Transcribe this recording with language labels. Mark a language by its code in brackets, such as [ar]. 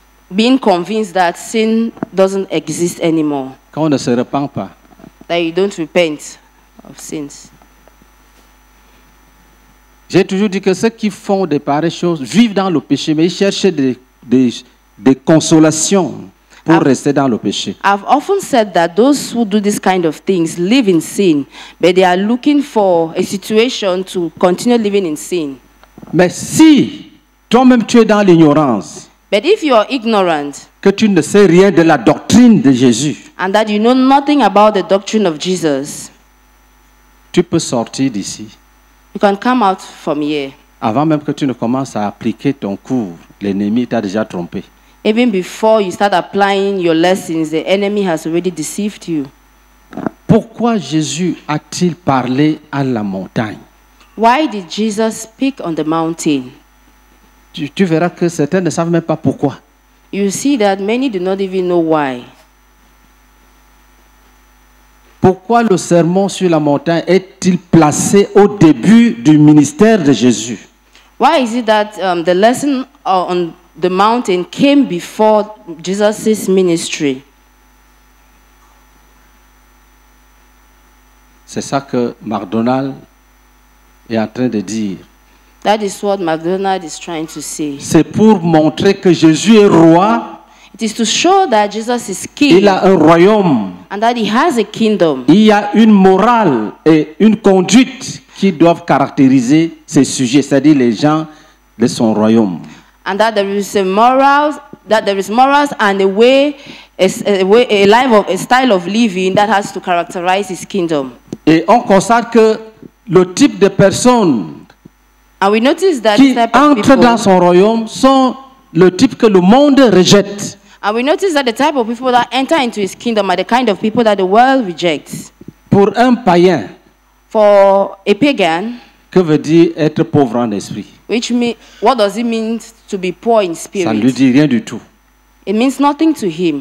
[en] Being convinced that sin doesn't exist anymore. [fr] Qu'on ne se repent pas. [en] That you don't repent of sins. [fr] J'ai toujours dit que ceux qui font des pareilles choses vivent dans le péché, mais ils cherchent des consolations pour rester dans le péché. [en] I've often said that those who do this kind of things live in sin, but they are looking for a situation to continue living in sin. [fr] Mais si toi-même tu es dans l'ignorance, [en] but if you are ignorant, [fr] que tu ne sais rien de la doctrine de Jésus, [en] and that you know nothing about the doctrine of Jesus, [fr] tu peux sortir d'ici. [en] You can come out from here. [fr] Avant même que tu ne commences à appliquer ton cours, l'ennemi t'a déjà trompé. [en] Even before you start applying your lessons, the enemy has already deceived you. [fr] Pourquoi Jésus a-t-il parlé à la montagne? [en] Why did Jesus speak on the mountain? [fr] Tu verras que certains ne savent même pas pourquoi. [en] You see that many do not even know why. [fr] Pourquoi le sermon sur la montagne est-il placé au début du ministère de Jésus? [en] Why is it that the lesson on the mountain came before Jesus' ministry? [fr] C'est ça que MacDonald est en train de dire. [en] That is what MacDonald is trying to say. [fr] C'est pour montrer que Jésus est roi. [en] It is to show that Jesus is king. [fr] Il a un royaume. [en] And that he has a kingdom. [fr] Il y a une morale et une conduite qui doivent caractériser ses sujets, c'est-à-dire les gens de son royaume. [en] And that there is a morals, that there is morals and a style of living that has to characterize his kingdom. [fr] Et on constate que le type de personnes [en] and we notice that [fr] qui entrent dans son royaume sont le type que le monde rejette. [en] And we notice that the type of people that enter into his kingdom are the kind of people that the world rejects. [fr] Pour un païen, [en] for a pagan, [fr] que veut dire être pauvre en esprit? [en] Which means, what does it mean to be poor in spirit? [fr] Ça ne lui dit rien du tout. [en] It means nothing to him.